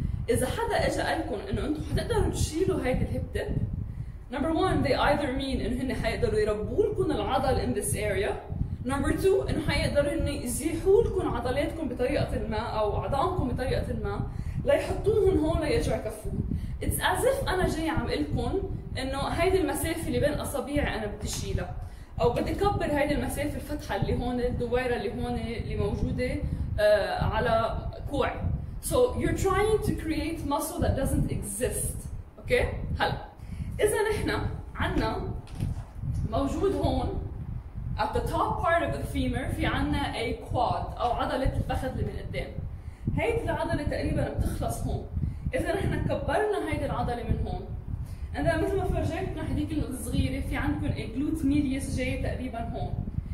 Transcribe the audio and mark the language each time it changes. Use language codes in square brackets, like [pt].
[ar] إذا حدا إجا قالكم إنه أنتم حتقدروا تشيلوا هيدي الhip dip [en] number one they either mean [ar] إنه هن حيقدروا يربولكم العضل [en] in this area number two [ar] إنه حيقدروا إنه يزيحوا لكم عضلاتكم بطريقة ما أو عضامكم بطريقة ما ليحطوهم هون ليرجعوا يكفوهم. [en] It's as if [ar] أنا جاي عم قلكم إنه هيدي المسافة اللي بين أصابيعي أنا بدي شيلها أو بدي كبر هيدي المسافة الفتحة اللي هون الدويرة اللي هون اللي موجودة على كوعي. [en] So you're trying to create muscle that doesn't exist. [ar] Okay؟ هلا إذا نحن عنا موجود هون [en] at the top part of the femur [ar] في عنا [en] a quad [ar] أو عضلة الفخذ اللي من قدام. هيدي العضلة تقريبا بتخلص هون. إذا نحن كبرنا هيدي العضلة من هون أنا مثل ما فرجيتكم هذيك الصغيرة في عندكم الجلوت ميديوس جاي تقريبا هون.